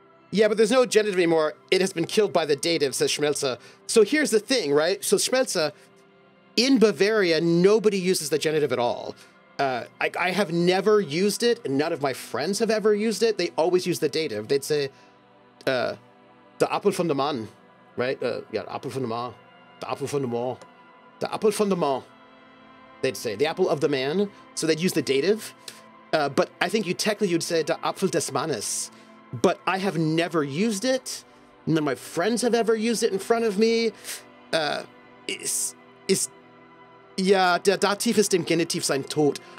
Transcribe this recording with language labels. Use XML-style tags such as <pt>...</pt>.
<en>Yeah, but there's no genitive anymore. It has been killed by the dative, says Schmelzer. So here's the thing, right? So Schmelzer, in Bavaria, nobody uses the genitive at all. I have never used it. None of my friends have ever used it. They always use the dative. They'd say,</en> <de>"Der Apfel von dem Mann,"</de> <en>right?</en> <de>Apfel von dem Mann, der Apfel von dem Mann, der Apfel von dem Mann.</de> <en>They'd say the apple of the man. So they'd use the dative. But I think you technically you'd say</en> <de>"Der Apfel des Mannes."</de> <en>But I have never used it. None of my friends have ever used it in front of me.</en> <de>Der Dativ ist dem Genitiv sein Tod.</de>